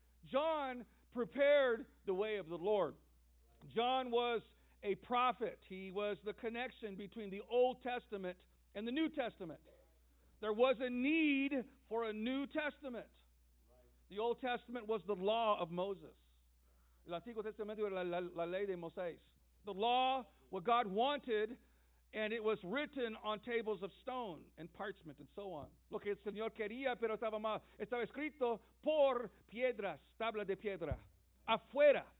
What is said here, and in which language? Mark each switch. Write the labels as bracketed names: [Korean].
[English] John prepared the way of the Lord. John was a prophet. He was the connection between the Old Testament and the New Testament. There was a need for a New Testament. The Old Testament was the law of Moses. [Spanish] El Antiguo Testamento era la ley de Moisés. [English] The law, what God wanted, and it was written on tables of stone and parchment and so on. [Spanish] Lo que el Señor quería, pero estaba mal. Estaba escrito por piedras, tabla de piedra, afuera.